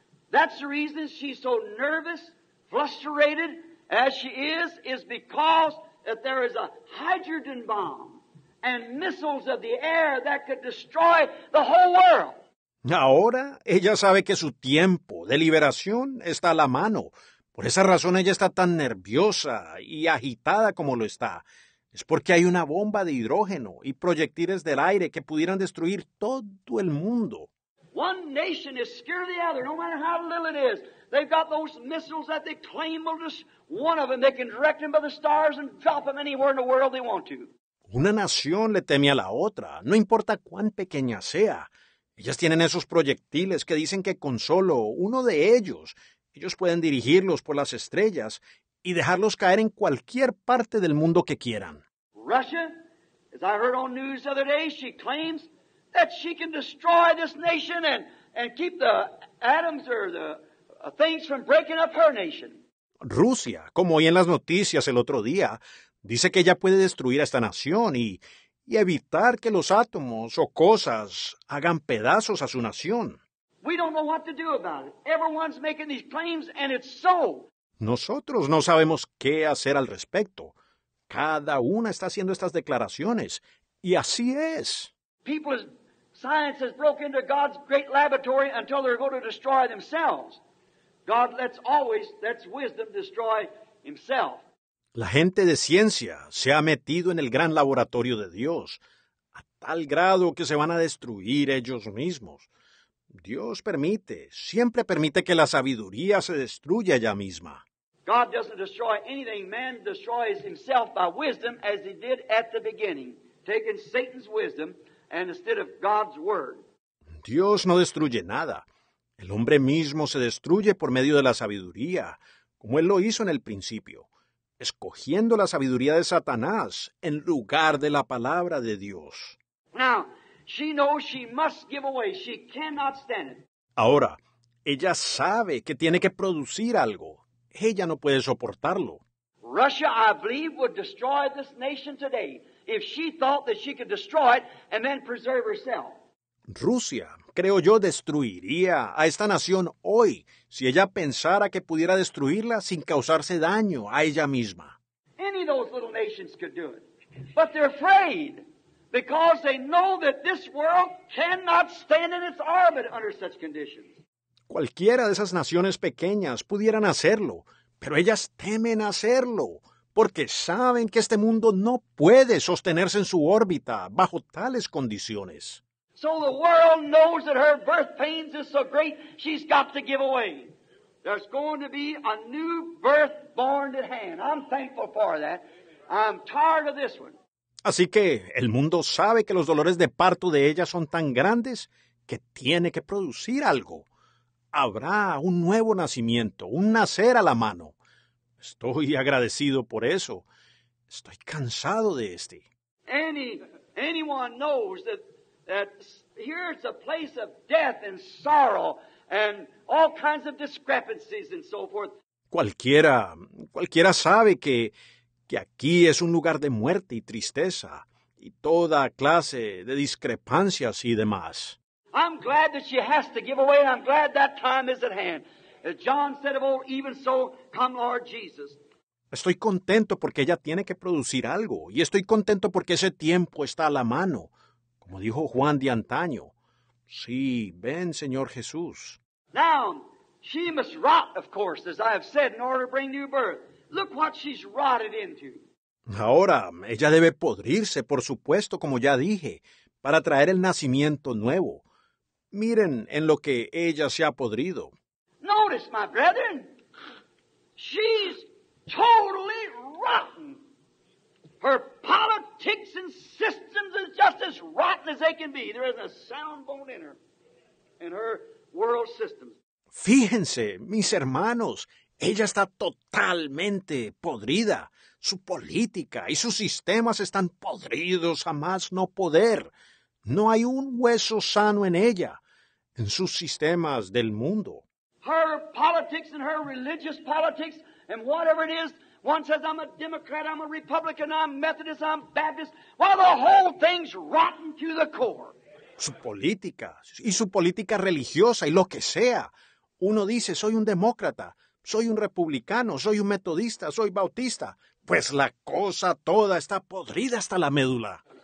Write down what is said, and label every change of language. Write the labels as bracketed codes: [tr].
[en] That's the reason she's so nervous, frustrated as she is because that there is a hydrogen bomb and missiles of the air that could destroy the whole world. [es] Ahora ella sabe que su tiempo de liberación está a la mano. Por esa razón ella está tan nerviosa y agitada como lo está. Es porque hay una bomba de hidrógeno y proyectiles del aire que pudieran destruir todo el mundo. [en] One nation is scared of the other, no matter how little it is. They've got those missiles that they claim will just one of them. They can direct them by the stars and drop them anywhere in the world they want to. [es] Una nación le teme a la otra, no importa cuán pequeña sea. Ellas tienen esos proyectiles que dicen que con solo uno de ellos, ellos pueden dirigirlos por las estrellas y dejarlos caer en cualquier parte del mundo que quieran. [en] Russia, as I heard on news the other day, she claims that she can destroy this nation and keep the atoms or the things from breaking up her nation. [es] Rusia, como oí en las noticias el otro día, dice que ella puede destruir a esta nación y evitar que los átomos o cosas hagan pedazos a su nación. [en] We don't know what to do about it. Everyone's making these claims and it's so. [es] Nosotros no sabemos qué hacer al respecto. Cada una está haciendo estas declaraciones y así es. [en] People's science has broken into God's great laboratory until they're going to destroy themselves. God lets wisdom destroy himself. [es] La gente de ciencia se ha metido en el gran laboratorio de Dios a tal grado que se van a destruir ellos mismos. Dios permite, siempre permite que la sabiduría se destruya ella misma. [en] God doesn't destroy anything. Man destroys himself by wisdom as he did at the beginning, taking Satan's wisdom and instead of God's word. [es] Dios no destruye nada. El hombre mismo se destruye por medio de la sabiduría, como él lo hizo en el principio, escogiendo la sabiduría de Satanás en lugar de la palabra de Dios. [en] Now, she knows she must give away. She cannot stand it. [es] Ahora, ella sabe que tiene que producir algo. Ella no puede soportarlo. [en] Russia, I believe, would destroy this nation today if she thought that she could destroy it and then preserve herself. [es] Rusia, creo yo, destruiría a esta nación hoy si ella pensara que pudiera destruirla sin causarse daño a ella misma. [en] Any of those little nations could do it, but they're afraid because they know that this world cannot stand in its orbit under such conditions. [es] Cualquiera de esas naciones pequeñas pudieran hacerlo, pero ellas temen hacerlo porque saben que este mundo no puede sostenerse en su órbita bajo tales condiciones. [en] So the world knows that her birth pains is so great, she's got to give away. There's going to be a new birth born at hand. I'm thankful for that. I'm tired of this one. [es] Así que el mundo sabe que los dolores de parto de ella son tan grandes que tiene que producir algo. Habrá un nuevo nacimiento, un nacer a la mano. Estoy agradecido por eso. Estoy cansado de este. [en] Anyone knows that here's a place of death and sorrow and all kinds of discrepancies and so forth. [es] Cualquiera sabe que aquí es un lugar de muerte y tristeza y toda clase de discrepancias y demás. [en] I'm glad that she has to give away, and I'm glad that time is at hand. As John said of old, even so, come Lord Jesus. [es] Estoy contento porque ella tiene que producir algo, y estoy contento porque ese tiempo está a la mano, como dijo Juan de antaño. Sí, ven, Señor Jesús. [en] Now, she must rot, of course, as I have said, in order to bring new birth. Look what she's rotted into. [es] Ahora, ella debe podrirse, por supuesto, como ya dije, para traer el nacimiento nuevo. Miren en lo que ella se ha podrido. [en] Notice, my brethren, she's totally rotten. Her politics and systems are just as rotten as they can be. There isn't a sound bone in her, in her world system. [es] Fíjense, mis hermanos, ella está totalmente podrida. Su política y sus sistemas están podridos a más no poder. No hay un hueso sano en ella, en sus sistemas del mundo. [en] Her politics and her religious politics and whatever it is, one says I'm a Democrat, I'm a Republican, I'm Methodist, I'm Baptist. Well, the whole thing's rotten to the core. [es] Su política y su política religiosa y lo que sea. Uno dice, soy un demócrata, soy un republicano, soy un metodista, soy bautista. Pues la cosa toda está podrida hasta la médula.